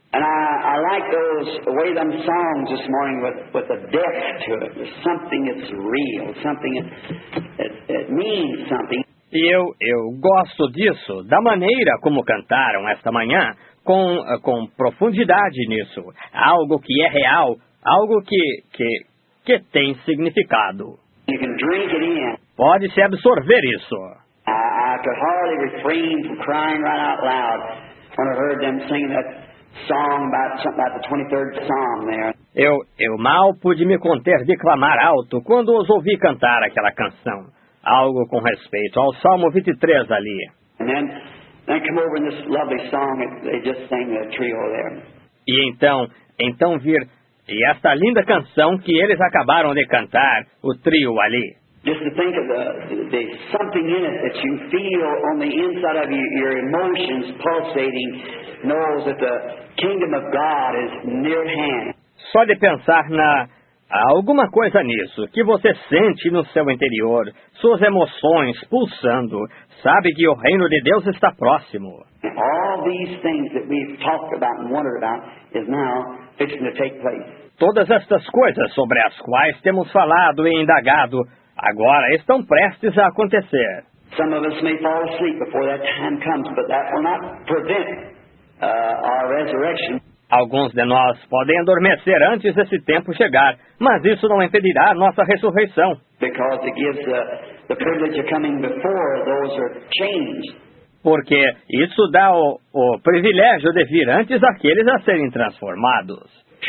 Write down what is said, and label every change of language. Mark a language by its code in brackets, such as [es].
[en] And I like those way them songs this morning with a depth to it. Something that's real, something that means something. [pt] E eu gosto disso, da maneira como cantaram esta manhã, com profundidade nisso. Algo que é real, algo que tem significado. [en] You can drink it in. [pt] Pode-se absorver isso. [en] I could hardly refrain from crying right out loud when I heard them sing that song about the 23rd Psalm there. [pt] Eu mal pude me conter de clamar alto quando os ouvi cantar aquela canção. Algo com respeito ao Salmo 23 ali. [en] And then come over in this lovely song that they just sang the trio there. [pt] E então vir e esta linda canção que eles acabaram de cantar, o trio ali. [en] Just to think of the something in it that you feel on the inside of you, your emotions pulsating, knows that the kingdom of God is near hand. [pt] Só de pensar na alguma coisa nisso que você sente no seu interior, suas emoções pulsando, sabe que o reino de Deus está próximo. [en] And all these things that we've talked about and wondered about is now fixing to take place. [pt] Todas estas coisas sobre as quais temos falado e indagado agora estão prestes a acontecer. [en] Some of us may fall asleep before that time comes, but that will not prevent our resurrection. [pt] Alguns de nós podem adormecer antes desse tempo chegar, mas isso não impedirá a nossa ressurreição. [en] Because it gives the privilege of coming before those who are changed. [pt] Porque isso dá o privilégio de vir antes daqueles a serem transformados.